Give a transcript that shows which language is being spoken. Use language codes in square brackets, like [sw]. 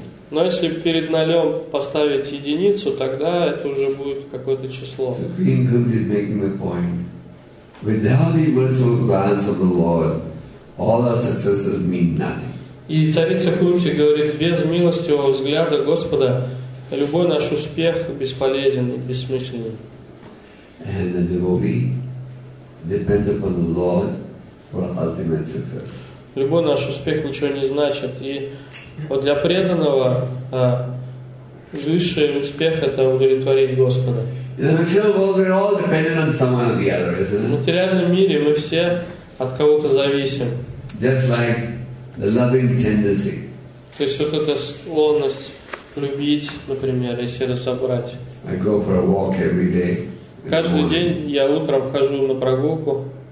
[ru] Но если перед нолем поставить единицу, тогда это уже будет какое-то число. [en] So Queen Kunti is making the point. Without the merciful glance of the Lord, all our successes mean nothing. [ru] И царица Кунти говорит, без милостивого взгляда Господа любой наш успех бесполезен и бессмысленен. [en] And the devotee depends upon the Lord for ultimate success. [ru] Любой наш успех ничего не значит, и вот для преданного высший успех это удовлетворить Господа. [en] In the material world, we're all dependent on someone or the other, isn't it? [ru] В материальном мире мы все от кого-то зависим. [en] Just like the loving tendency. [ru] То есть вот эта склонность любить, например, если разобрать. [en] I go for a walk every day. [ru] Каждый день я утром хожу на прогулку.